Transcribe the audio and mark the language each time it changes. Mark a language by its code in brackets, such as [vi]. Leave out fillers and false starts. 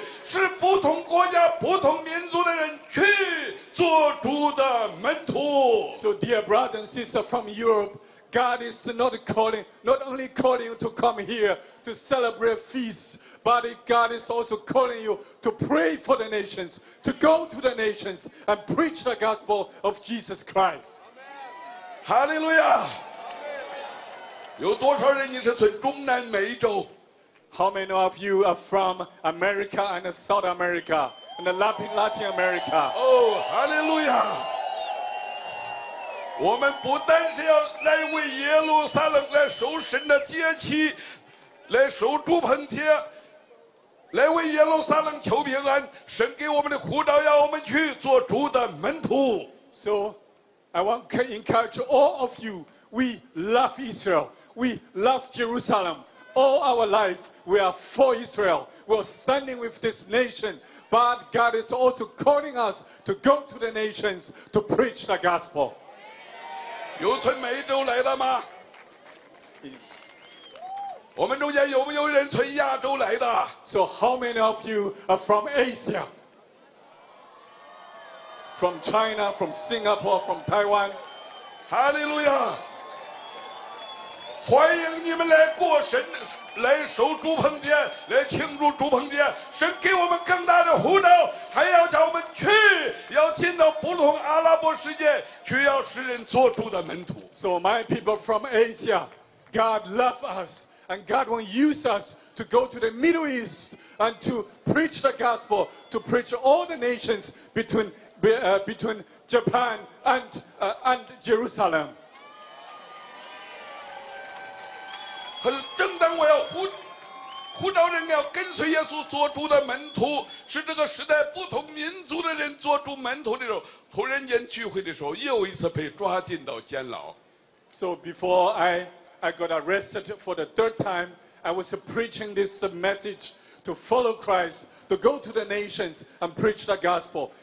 [zh] 是不同国家不同民族的人去做主的门徒。 [en] So dear brothers and sisters from Europe, God is not only calling you to come here to celebrate feasts, but God is also calling you to pray for the nations, to go to the nations and preach the gospel of Jesus Christ. Hallelujah! [zh] 有多少人你是从中南美洲？ [en] How many of you are from America and South America and Latin America? Oh, hallelujah! [zh] 我们不但是要来为耶路撒冷来守神的节期，来守祝棚节，来为耶路撒冷求平安。神给我们的呼召要我们去做主的门徒。 [en] So, I want to encourage all of you. We love Israel. We love Jerusalem. All our life, we are for Israel. We are standing with this nation. But God is also calling us to go to the nations to preach the gospel. [zh] 有从美洲来的吗？我们中间有没有人从亚洲来的？ [en] So how many of you are from Asia? From China, from Singapore, from Taiwan? [zh] Hallelujah! 欢迎你们来过神，来守祝棚节，来庆祝祝棚节。神给我们更大的呼召，还要叫我们去，要进到不同阿拉伯世界，去要使人做主的门徒。 [en] So my people from Asia, God loves us, and God will use us to go to the Middle East and to preach the gospel, to preach all the nations between between Japan and Jerusalem. [zh] 很正当我要呼召人要跟随耶稣做主的门徒，使这个时代不同民族的人做主门徒的时候，突然间聚会的时候，又一次被抓进到监牢。 [en] So before I got arrested for the third time, I was preaching this message to follow Christ, to go to the nations and preach the gospel.